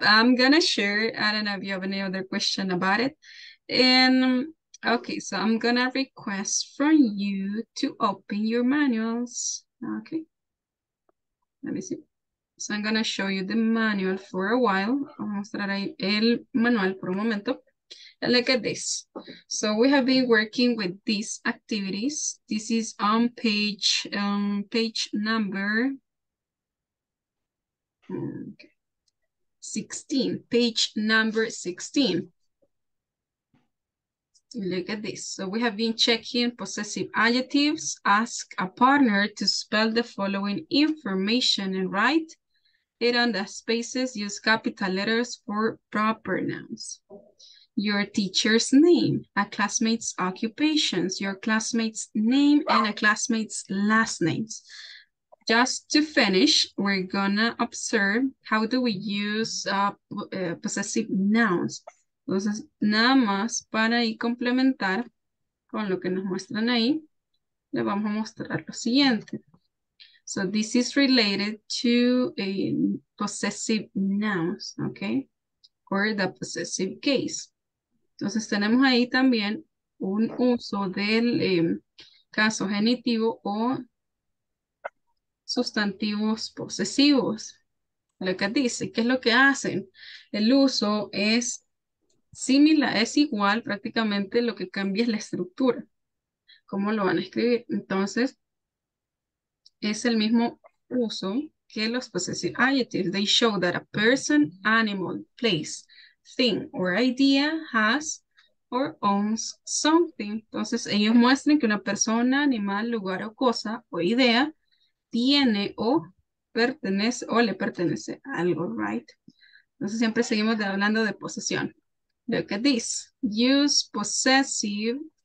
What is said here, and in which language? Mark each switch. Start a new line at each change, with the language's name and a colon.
English: I'm gonna share. I don't know if you have any other question about it. And okay, so I'm gonna request from you to open your manuals. Okay. Let me see. So I'm going to show you the manual for a while.
Spanish: I'll mostrar ahí el manual por un momento.
English: And look at this. So we have been working with these activities. This is on page number 16. Page number 16. Look at this. So we have been checking possessive adjectives. Ask a partner to spell the following information and write it on the spaces. Use capital letters for proper nouns. Your teacher's name, a classmate's occupations, your classmate's name, and a classmate's last names. Just to finish, we're gonna observe how do we use possessive nouns.
Spanish: Entonces, nada más para ir complementar con lo que nos muestran ahí. le vamos a mostrar lo siguiente.
English: So this is related to a possessive nouns, okay? Or the possessive case.
Spanish: Entonces tenemos ahí también un uso del caso genitivo o sustantivos posesivos. Lo que dice, ¿qué es lo que hacen? El uso es similar, es igual prácticamente, lo que cambia es la estructura. ¿Cómo lo van a escribir? Entonces, es el mismo uso que los possessive adjectives.
English: They show that a person, animal, place, thing, or idea has or owns something.
Spanish: Entonces, ellos muestran que una persona, animal, lugar o cosa o idea tiene o pertenece o le pertenece a algo, right? Entonces, siempre seguimos hablando de posesión.
English: Look at this. Use possessive.